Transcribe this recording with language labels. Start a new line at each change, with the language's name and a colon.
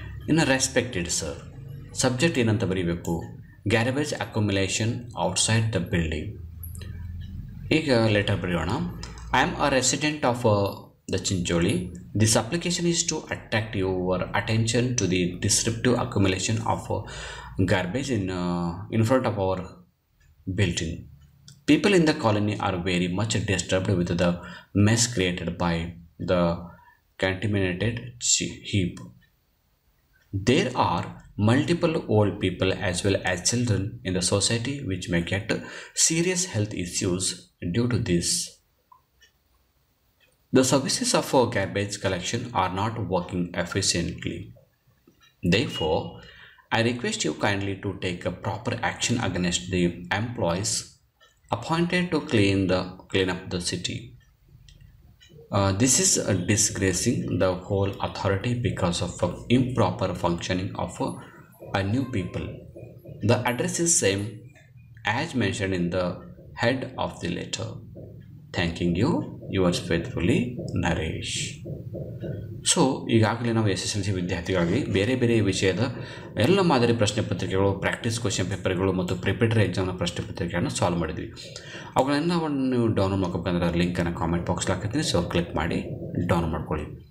Kannada: ಇನ್ನು
English: respected sir,
Kannada: subject ಏನಂತ ಬರೀಬೇಕು?
English: Garbage accumulation outside the building.
Kannada: ಈಗ ಲೆಟರ್ ಬರೆಯೋಣ.
English: I am a resident of the Chincholi. This application is to attract your attention to the descriptive accumulation of garbage in front of our building. People in the colony are very much disturbed with the mess created by the contaminated heap. There are multiple old people as well as children in the society which may get serious health issues due to this. The services of garbage collection are not working efficiently. Therefore, I request you kindly to take a proper action against the employees appointed to clean up the city. This is disgracing the whole authority because of improper functioning of a new people. The address is same as mentioned in the head of the letter. Thanking you, yours faithfully, Naresh.
Kannada: So ಈಗಾಗಲೇ ನಾವು S S L C ವಿದ್ಯಾರ್ಥಿಗಳಾಗಲಿ ಬೇರೆ ಬೇರೆ ವಿಷಯದ ಎಲ್ಲ ಮಾದರಿ ಪ್ರಶ್ನೆ ಪತ್ರಿಕೆಗಳು, practice question ಪೇಪರ್ಗಳು ಮತ್ತು ಪ್ರಿಪೇಟರಿ ಎಕ್ಸಾಮ್ನ ಪ್ರಶ್ನೆ ಪತ್ರಿಕೆಗಳನ್ನು ಸಾಲ್ವ್ ಮಾಡಿದ್ವಿ. ಅವುಗಳನ್ನ ನೀವು ಡೌನ್ಲೋಡ್ ಮಾಡ್ಕೋಬೇಕಂದ್ರೆ ಅದರ ಲಿಂಕನ್ನು ಕಾಮೆಂಟ್ ಬಾಕ್ಸ್ ಹಾಕ್ತೀನಿ, ಸೊ ಕ್ಲಿಕ್ ಮಾಡಿ ಡೌನ್ಲೋಡ್ ಮಾಡ್ಕೊಳ್ಳಿ.